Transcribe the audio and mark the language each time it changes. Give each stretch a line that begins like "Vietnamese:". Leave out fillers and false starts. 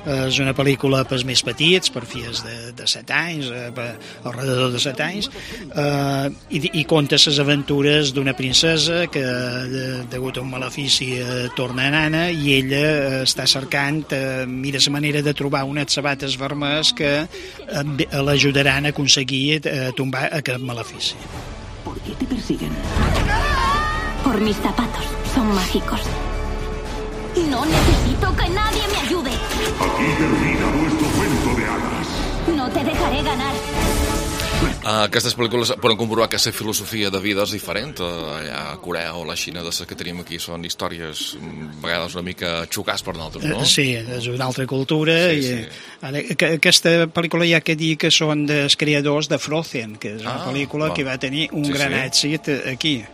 Catalan: És una pel·lícula pels més petits, per fies de 7 anys,
Spanish: alrededor de
Catalan: 7 anys, i conta les aventures d'una princesa que, degut a un malefici, torna a nana, i ella està cercant, mira la manera de trobar unes sabates vermelles que l'ajudaran a aconseguir tombar aquest malefici.
Spanish: ¿Por qué te persiguen? Por mis zapatos, son mágicos. No necesito que nadie me ayude. Aquí termina vuestro cuento de hadas. No te dejaré ganar.
Catalan: Aquestes pel·lícules poden comprovar que la filosofia de vida és diferent allà a Corea o la Xina, de les que tenim aquí són històries a vegades una mica xocants per nosaltres, no? Sí, és una altra cultura. Sí, sí. Ara, aquesta pel·lícula hi ha que dir que són dels creadors de Frozen, que és una pel·lícula que va tenir un gran èxit aquí.